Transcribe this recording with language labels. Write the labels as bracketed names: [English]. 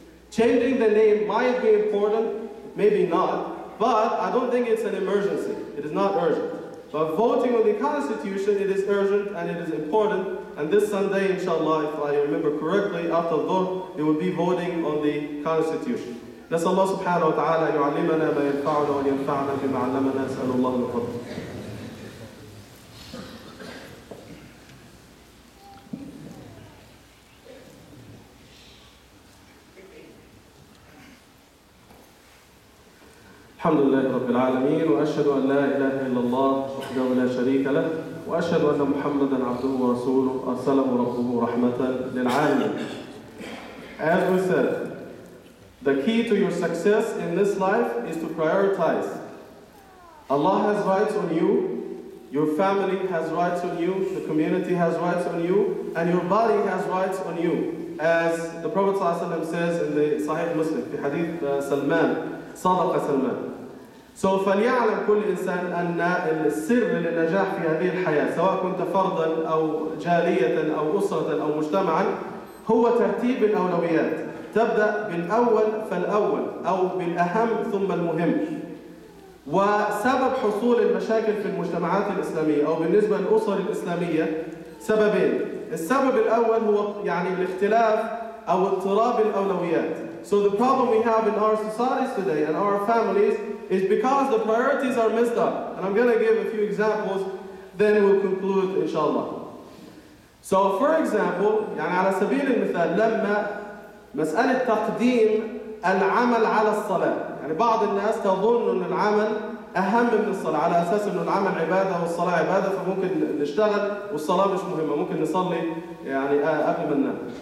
[English] Changing the name might be important, maybe not, but I don't think it's an emergency. It is not urgent. But voting on the constitution, it is urgent and it is important. And this Sunday, inshallah, if I remember correctly, after dhuhr, they will be voting on the constitution. [Arabic] نسأل الله سبحانه وتعالى يعلمنا ما ينفعنا وينفعنا بما علمنا نسأل الله الفضل. الحمد لله رب العالمين وأشهد أن لا إله إلا الله وحده لا شريك له وأشهد أن محمدا عبده ورسوله أرسله ربه رحمة للعالمين. [English] As we said, the key to your success in this life is to prioritize. Allah has rights on you, your family has rights on you, the community has rights on you, and your body has rights on you. As the Prophet [Arabic] صلى الله عليه وسلم [English] says in the Sahih Muslim, [Arabic] في حديث سلمان صدق سلمان. So فليعلم كل إنسان أن السر للنجاح في هذه الحياة سواء كنت فردا أو جالية أو أسرة أو مجتمعا هو ترتيب الأولويات. تبدأ بالأول فالأول أو بالأهم ثم المهم. وسبب حصول المشاكل في المجتمعات الإسلامية أو بالنسبة للأسر الإسلامية سببين. السبب الأول هو يعني الاختلاف أو اضطراب الأولويات. [English] So the problem we have in our societies today and our families is because the priorities are messed up. And I'm going to give a few examples, then we'll conclude, inshallah. So, for example, [Arabic] يعني على سبيل المثال لما مسألة تقديم العمل على الصلاة. يعني بعض الناس تظن أن العمل أهم من الصلاة، على أساس أن العمل عبادة والصلاة عبادة، فممكن نشتغل والصلاة مش مهمة، ممكن نصلي يعني قبل ما ننام.